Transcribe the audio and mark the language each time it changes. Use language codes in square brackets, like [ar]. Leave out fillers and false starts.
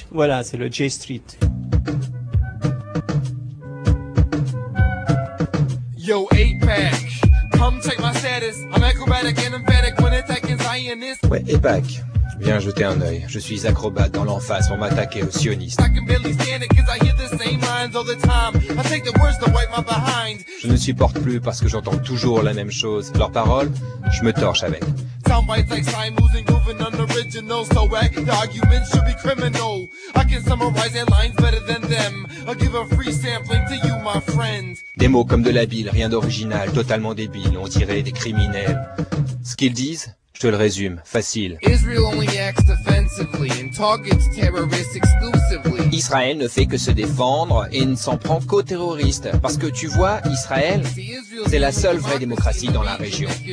[fr] Voilà, c'est le J Street. [en] Yo, APAC, come check my status. I'm acrobatic and emphatic when attacking Zionists. [fr] Ouais, APAC, viens jeter un œil. Je suis acrobate dans l'emphase pour m'attaquer aux sionistes. [en] I can barely stand it cause I hear the same lines all the time. I take the words to wipe my behind. [fr] Je ne supporte plus parce que j'entends toujours la même chose. Leurs paroles, je me torche avec. [en] Sound bites like Simons and Goofing unoriginal. So wack, the arguments should be criminal. I can summarize their lines better than them. I'll give a free sampling to you, my friend. [fr] Des mots comme de la bile, rien d'original, totalement débile, on dirait des criminels. Ce qu'ils disent, je te le résume, facile. [en] Israel only acts defensively and targets terrorists exclusively. [fr] Israël ne fait que se défendre et ne s'en prend qu'aux terroristes. Parce que tu vois, Israël, c'est la seule vraie démocratie dans la région.